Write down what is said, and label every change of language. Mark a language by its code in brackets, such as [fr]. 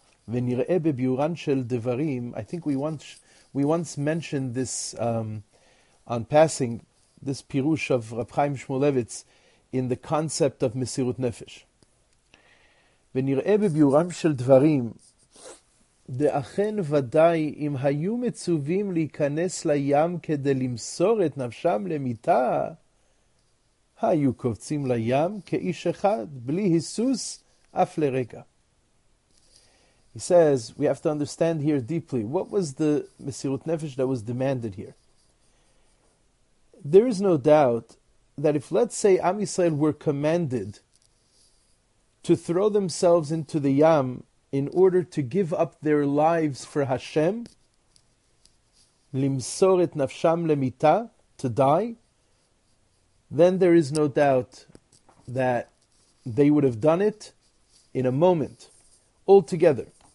[he] V'nir'e bebiuran shel devarim, [en] I think we once mentioned this on passing, this pirush of Rav Chaim Shmulevitz in the concept of Mesirut Nefesh. V'nir'e bebiuran shel devarim, [he] דאכן ודאי, אם היו מצווים להיכנס לים כדי למסור את נפשם למיתה, היו קופצים לים כאיש אחד, בלי היסוס, אף לרגע. [en] He says, we have to understand here deeply, what was the Mesirut Nefesh that was demanded here? There is no doubt that if, let's say, Am Yisrael were commanded to throw themselves into the Yam in order to give up their lives for Hashem, [he] limsor et nafsham lemita, [en] to die, then there is no doubt that they would have done it in a moment, altogether.